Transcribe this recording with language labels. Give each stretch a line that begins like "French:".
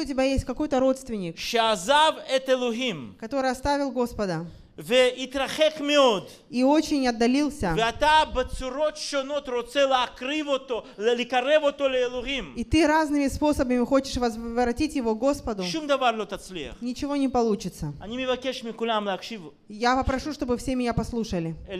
Russian: у тебя есть какой-то родственник, который оставил Господа,
Hebrew: והתרחק מאוד.
Russian: И очень отдалился.
Hebrew: ואתה בצורות שונות רוצה להקריב אותו, לקרב אותו לאלוהים.
Russian: И ты разными способами хочешь возвратить его Господу.
Hebrew: שום דבר לא תצליח.
Russian: Ничего не получится.
Hebrew: אני מבקש מכולם להקשיב.
Russian: Я попрошу, чтобы все меня послушали.